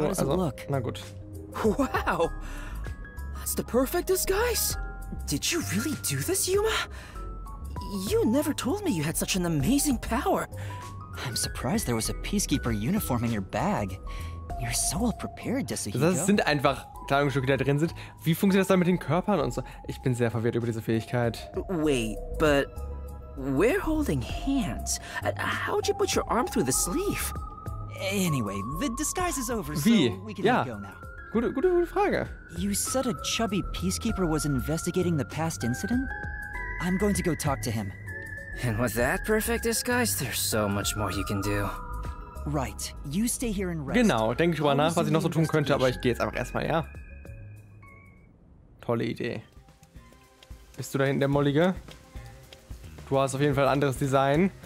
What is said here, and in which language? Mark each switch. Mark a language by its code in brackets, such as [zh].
[en] How does it look? [de] Na gut. [en] Wow! That's the perfect disguise? Did you really do this, Yuma? You never told me you had such an amazing power. I'm surprised there was a peacekeeper uniform in your bag. You're so well prepared, Desuhiko. [de] Das sind einfach Kleidungsstücke, die da drin sind. Wie funktioniert das dann mit den Körpern und so? Ich bin sehr verwirrt über diese Fähigkeit. [en] Wait, but we're holding hands. How'd you put your arm through the sleeve? Anyway, the disguise is over. [de] Wie? [en] So we can [de] ja. [en] go now. [de] Gute Frage. [en] You said a chubby peacekeeper was investigating the past incident? I'm going to go talk to him. And with that perfect disguise, there's so much more you can do. Right. You stay here and rest. [de] Genau, denke ich drüber nach, was ich noch so tun könnte, aber ich gehe jetzt einfach erstmal, ja. Tolle Idee. Bist du da hinten der Mollige? Du hast auf jeden Fall ein anderes Design.